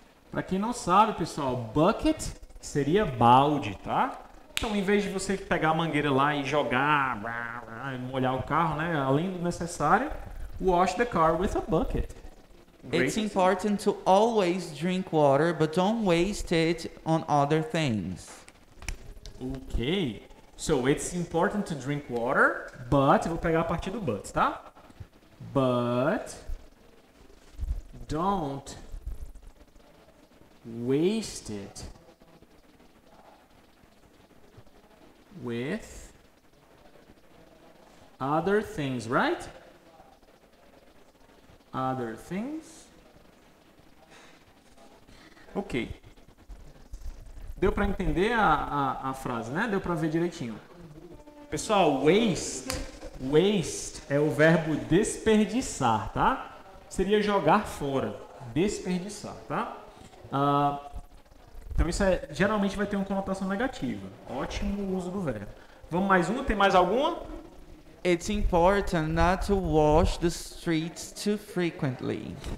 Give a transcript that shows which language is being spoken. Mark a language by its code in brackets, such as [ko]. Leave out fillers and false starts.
[pt] Para quem não sabe, pessoal, bucket seria balde, tá? Então, em vez de você pegar a mangueira lá e jogar, molhar o carro, né? Além do necessário, [en] wash the car with a bucket. Great. It's important to always drink water, but don't waste it on other things. Ok. So, it's important to drink water, but... [pt] Vou pegar a partir do but, tá? [en] But don't waste it with other things, right? Other things. [pt] Ok. Deu para entender a frase, né? Deu para ver direitinho. Pessoal, waste é o verbo desperdiçar, tá? Seria jogar fora, desperdiçar, tá? Então, isso é, geralmente vai ter uma conotação negativa. Ótimo uso do verbo. Vamos mais uma? Tem mais alguma? [en] It's important not to wash the streets too frequently.